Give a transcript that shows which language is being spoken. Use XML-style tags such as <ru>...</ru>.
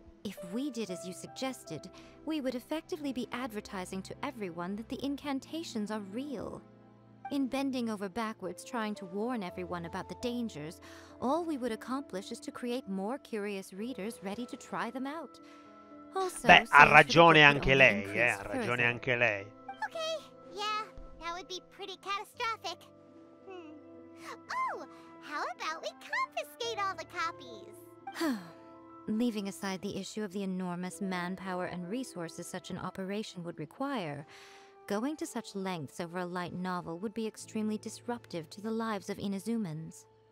<en>If we did as you suggested, we would effectively be advertising to everyone that the incantations are real. In bending over backwards trying to warn everyone about the dangers, all we would accomplish is to create more curious readers ready to try them out. Also,</en> <it>beh, ha ragione anche lei, ha ragione anche lei.</it> <en>Okay, yeah, that would be pretty catastrophic. Oh, how about we confiscate all the copies? Leaving aside the issue of the enormous manpower and resources such an operation would require, going to such lengths over a light novel would be extremely disruptive to the lives of Inazumans.</en>